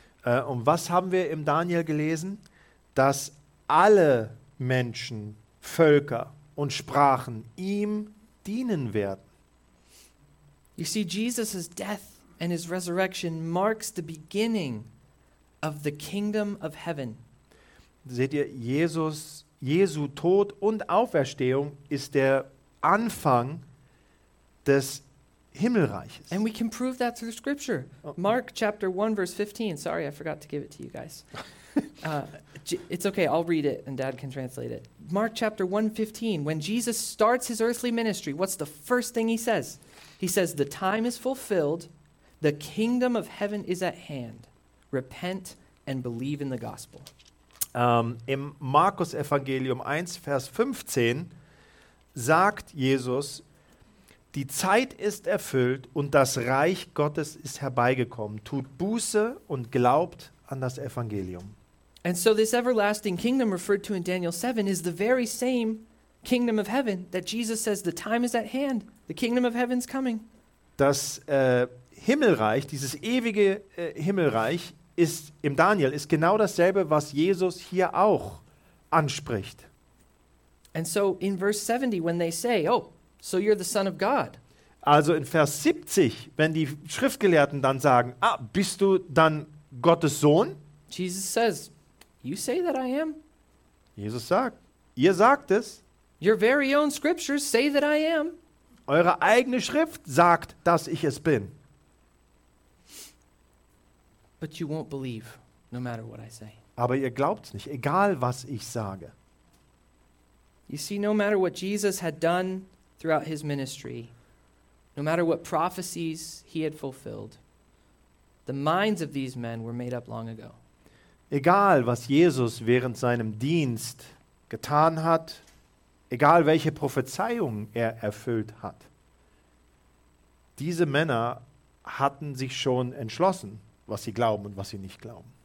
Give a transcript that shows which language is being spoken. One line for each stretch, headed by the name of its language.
German: Und was haben wir im Daniel gelesen? Dass alle Menschen, Völker und Sprachen ihm dienen werden.
English: You see, Jesus' death and his resurrection marks the beginning of the kingdom of heaven.
German: Seht ihr, Jesu Tod und Auferstehung ist der Anfang des Himmelreiches.
English: And we can prove that through scripture. Mark chapter 1 verse 15. Sorry, I forgot to give it to you guys. It's okay, I'll read it and Dad can translate it. Mark chapter 1:15. When Jesus starts his earthly ministry, what's the first thing he says? He says, "The time is fulfilled. The kingdom of heaven is at hand. Repent and believe in the gospel."
German: Im Markus Evangelium 1 Vers 15 sagt Jesus: Die Zeit ist erfüllt und das Reich Gottes ist herbeigekommen. Tut Buße und glaubt an das Evangelium.
English: And so this everlasting kingdom referred to in Daniel 7 is the very same kingdom of heaven that Jesus says the time is at hand. The kingdom of heaven's coming.
German: Das Himmelreich, dieses ewige Himmelreich ist im Daniel ist genau dasselbe, was Jesus hier auch anspricht.
English: And so in verse 70 when they say, "Oh, so you're the son of God."
German: Also in Vers 70, wenn die Schriftgelehrten dann sagen, "Ah, bist du dann Gottes Sohn?"
English: Jesus says, "You say that I am."
German: Jesus sagt, ihr sagt es.
English: Your very own scriptures say that I am.
German: Eure eigene Schrift sagt, dass ich es bin.
English: But you won't believe no matter what I say.
German: Aber ihr glaubt's nicht, egal was ich sage.
English: You see, no matter what Jesus had done throughout his ministry, no matter what prophecies he had fulfilled, the minds of these men were made up long ago.
German: Egal was Jesus während seinem Dienst getan hat, egal welche Prophezeiungen er erfüllt hat, diese Männer hatten sich schon entschlossen, was sie glauben und was sie nicht glauben.